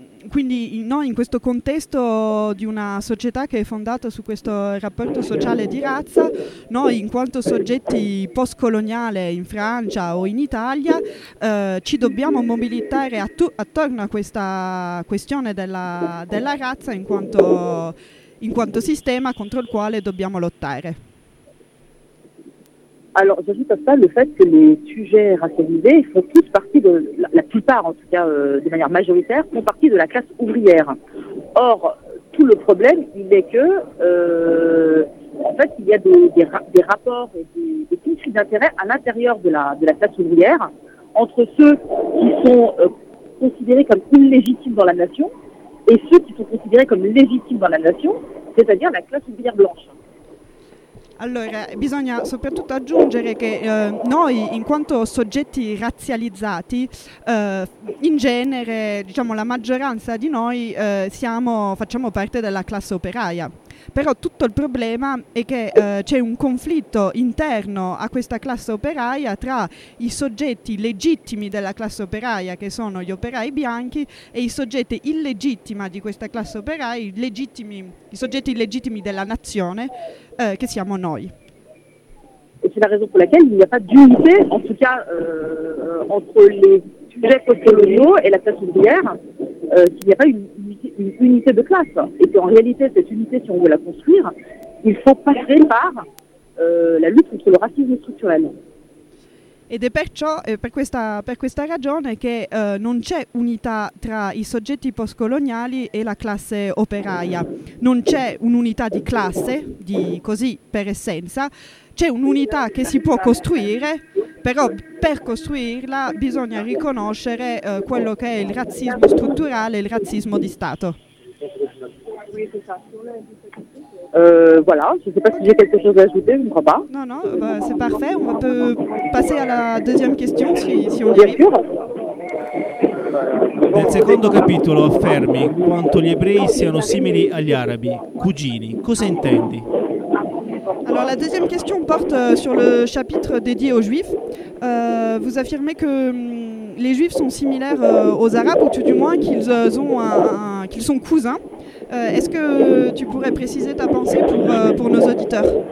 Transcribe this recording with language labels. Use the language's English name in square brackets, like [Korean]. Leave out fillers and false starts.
[Italian] Quindi noi in questo contesto di una società che è fondata su questo rapporto sociale di razza, noi in quanto soggetti postcoloniali in Francia o in Italia ci dobbiamo mobilitare attorno a questa questione della razza in quanto sistema contro il quale dobbiamo lottare. [French] Alors, j'ajoute à ça le fait que les sujets racialisés font tous partie de, la plupart en tout cas, de manière majoritaire, font partie de la classe ouvrière. Or, tout le problème, il est que, en fait, il y a des rapports et des conflits d'intérêts à l'intérieur de la classe ouvrière, entre ceux qui sont considérés comme illégitimes dans la nation et ceux qui sont considérés comme légitimes dans la nation, c'est-à-dire la classe ouvrière blanche. [Italian] Allora, bisogna soprattutto aggiungere che noi, in quanto soggetti razzializzati, in genere, diciamo, la maggioranza di noi facciamo parte della classe operaia. però tutto il problema è che c'è un conflitto interno a questa classe operaia tra i soggetti legittimi della classe operaia, che sono gli operai bianchi, e i soggetti illegittimi di questa classe operaia, i soggetti illegittimi della nazione, che siamo noi. [French] C'est la raison pour laquelle il n'y a pas d'unité, en tout cas entre les sujets postcoloniaux et la classe ouvrière, qu'il n'y a pas une unité de classe. Et qu'en réalité, cette unité, si on veut la construire, il faut passer par la lutte contre le racisme structurel. [Italian] Ed è perciò per questa ragione che non c'è unità tra i soggetti postcoloniali e la classe operaia. Non c'è un'unità di classe, di così per essenza. C'è un'unità che si può costruire, però per costruirla bisogna riconoscere quello che è il razzismo strutturale, il razzismo di Stato. [French] Voilà, je ne sais pas si j'ai quelque chose à ajouter, je ne crois pas. Non, non, bah, c'est parfait, on peut passer à la deuxième question si on y arrive. [Italian] Nel secondo capitolo affermi quanto gli ebrei siano simili agli arabi, cugini, cosa intendi? [French] Alors la deuxième question porte sur le chapitre dédié aux juifs. Vous affirmez que les juifs sont similaires aux arabes, ou tout du moins qu'ils ont qu'ils sont cousins. Est-ce que tu pourrais préciser ta pensée pour nos auditeurs?